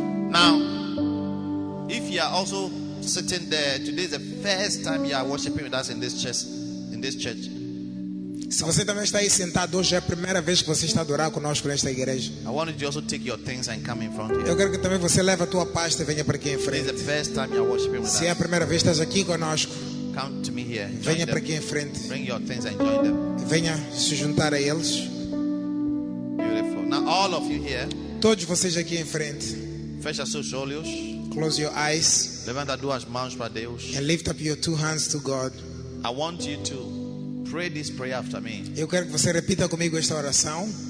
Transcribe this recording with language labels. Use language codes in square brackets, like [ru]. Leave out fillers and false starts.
[en] Now, if you are also sitting there, today is the first time you are worshiping with us in this church. In this church. [pt] Se você também está aí sentado, hoje é a primeira vez que você está adorando conosco nesta igreja. [en] I want you to also take your things and come in front here. [pt] Eu quero que também você leve a tua pasta e venha para aqui em frente. [en] This is the first time you are worshiping with [pt] Se é a primeira vez que estás aqui conosco, [en] come to me here. [pt] Venha Para aqui em frente. [en] Bring your things and join them. [pt] Venha se juntar a eles. [en] Beautiful. Now all of you here. [pt] Todos vocês aqui em frente. Fecha seus olhos. [en] Close your eyes. [pt] Levanta duas mãos para Deus. [en] And lift up your two hands to God. I want you to pray this prayer after me. [pt] Eu quero que você repita comigo esta oração.